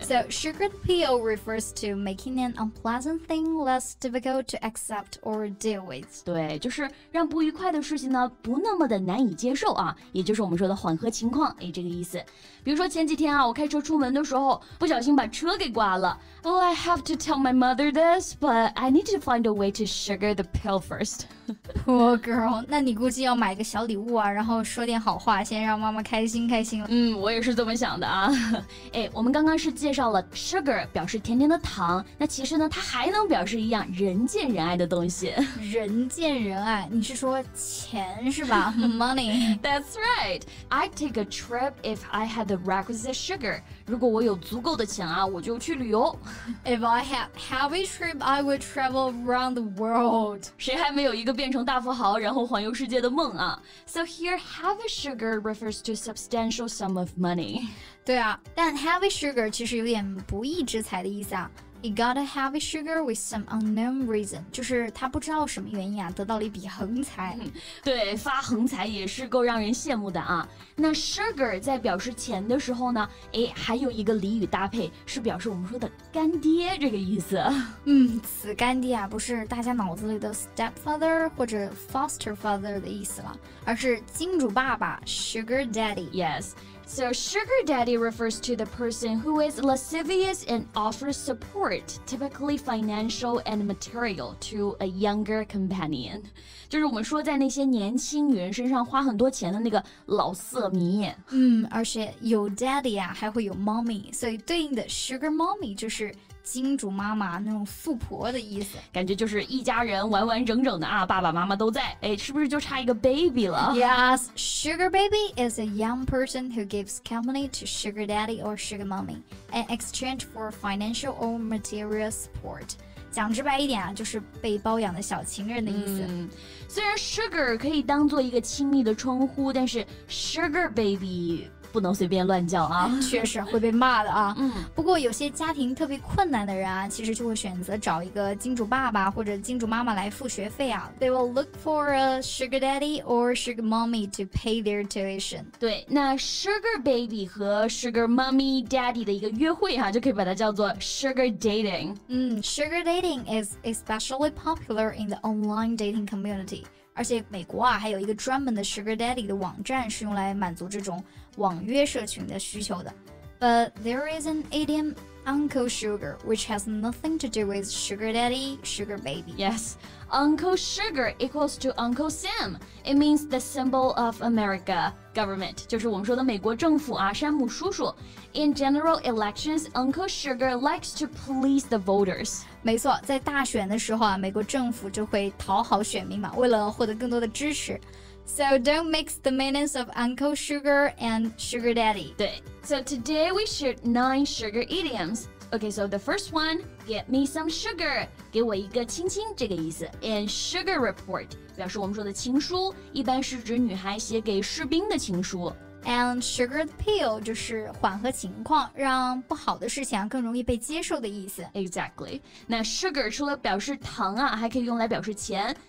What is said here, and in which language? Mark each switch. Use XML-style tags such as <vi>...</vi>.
<en>So, sugar pill refers to making an unpleasant thing less difficult to accept or deal with.</en> <zh>对，就是让不愉快的事情呢不那么的难以接受啊，也就是我们说的缓和情况，哎，这个意思。比如说前几天啊，我开车出门的时候，不小心把车给刮了。</zh> <en>Oh, I have to tell my mother this, but I need to find a way to sugar the pill first. Poor girl,</en> <zh>那你估计要买个小礼物啊，然后说点好话，先让妈妈开心开心了。我也是这么想的啊。哎，我们刚刚是介绍了 sugar 表示甜甜的糖，那其实呢，它还能表示一样人见人爱的东西。人见人爱，你是说钱是吧 ？</zh> <en>Money. That's right. I'd take a trip if I had the requisite sugar.</en> <zh>如果我有足够的钱啊，我就去旅游。</zh> <en>If I had heavy trip, I would travel around the world.</en> <zh>谁还没有一个变成大富豪然后环游世界的梦啊 ？</zh> <en>So here, heavy sugar refers to substantial. Some of money.</en> <zh>对啊，但 heavy sugar 其实有点不义之财的意思啊。</zh> <en>He got a heavy sugar with some unknown reason.</en> <zh>就是他不知道什么原因啊，得到了一笔横财。对，发横财也是够让人羡慕的啊。那 sugar 在表示钱的时候呢，哎，还有一个俚语搭配是表示我们说的干爹这个意思。此干爹啊，不是大家脑子里的 stepfather 或者 foster father 的意思了，而是金主爸爸 sugar daddy.</zh> <en>Yes. So sugar daddy refers to the person who is lascivious and offers support, typically financial and material, to a younger companion.</en> <zh>就是我们说在那些年轻女人身上花很多钱的那个老色迷。而且有 daddy 啊，还会有 mommy， 所以对应的 sugar mommy 就是金主妈妈那种富婆的意思。感觉就是一家人完完整整的啊，爸爸妈妈都在。哎，是不是就差一个 baby 了</zh> <en>？Yes, sugar baby is a young person who gives company to sugar daddy or sugar mommy in exchange for financial or material support.</en> <zh>讲直白一点啊，就是被包养的小情人的意思。嗯，虽然 sugar 可以当做一个亲密的称呼，但是 sugar baby 不能随便乱叫啊，确实会被骂的啊。嗯，不过有些家庭特别困难的人啊，其实就会选择找一个金主爸爸或者金主妈妈来付学费啊。</zh> <en>They will look for a sugar daddy or sugar mommy to pay their tuition.</en> <zh>对，那 sugar baby 和 sugar mommy daddy 的一个约会啊，就可以把它叫做 sugar dating。</zh> <en>嗯， sugar dating is especially popular in the online dating community.</en> <zh>而且美国啊还有一个专门的 Sugar Daddy 的网站是用来满足这种网约社群的需求的。</zh> <en>But there is an idiom Uncle Sugar, which has nothing to do with Sugar Daddy, Sugar Baby. Yes, Uncle Sugar equals to Uncle Sam. It means the symbol of America government.</en> <zh>就是我们说的美国政府啊，山姆叔叔。</zh> <en>In general elections, Uncle Sugar likes to please the voters.</en> <zh>没错，在大选的时候啊，美国政府就会讨好选民嘛，为了获得更多的支持。</zh> <en>So don't mix the meanings of Uncle Sugar and Sugar Daddy.</en> <zh>对。</zh> <en>So today we shared 9 sugar idioms. Okay, so the first one, get me some sugar.</en> <zh>给我一个亲亲这个意思。</zh> <en>And sugar report,</en> <zh>表示我们说的情书，一般是指女孩写给士兵的情书。</zh> <en>And sugar pill</en> <zh>就是缓和情况，让不好的事情更容易被接受的意思。</zh> <en>Exactly.</en> <zh>那 sugar 除了表示糖啊，还可以用来表示钱。</zh>